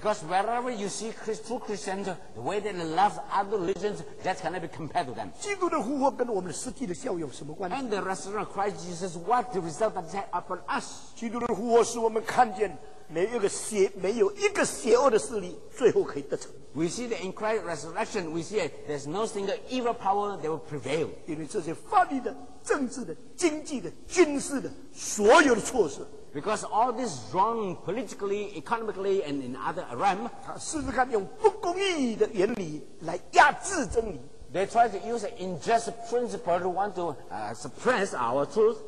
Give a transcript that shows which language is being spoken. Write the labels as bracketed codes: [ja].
[en] Because wherever you see true Christians, the way they love other religions, that cannot be compared to them. [zh] 基督的复活跟我们实际的效用有什么关系 [en] ？And the resurrection of Christ Jesus, what the result that had upon us? [zh] 基督的复活使我们看见没有一个邪恶的势力最后可以得逞。 [en] We see that in Christ's resurrection, we see that there's no single evil power that will prevail. [zh] 因为这些法律的、政治的、经济的、军事的所有的措施。 [en] Because all this wrong politically, economically, and in other realm, [zh] 他试试看用不公义的原理来压制真理。 [en] They try to use an unjust principle to want to suppress our truth.